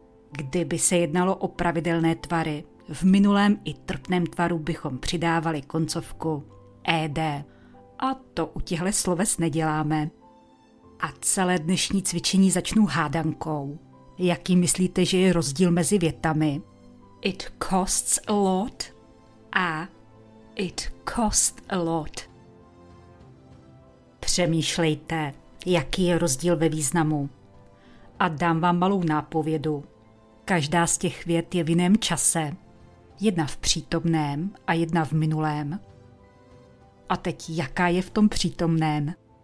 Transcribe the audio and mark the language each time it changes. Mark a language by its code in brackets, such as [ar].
[cs] Kdyby se jednalo o pravidelné tvary, v minulém i trpném tvaru bychom přidávali koncovku ed. A to u těchto sloves neděláme. A celé dnešní cvičení začnu hádankou. Jaký myslíte, že je rozdíl mezi větami? [en] It costs a lot a it cost a lot. [cs] Přemýšlejte, jaký je rozdíl ve významu. A dám vám malou nápovědu. Každá z těch vět je v jiném čase. Jedna v přítomném a jedna v minulém. A teď jaká je v tom přítomném?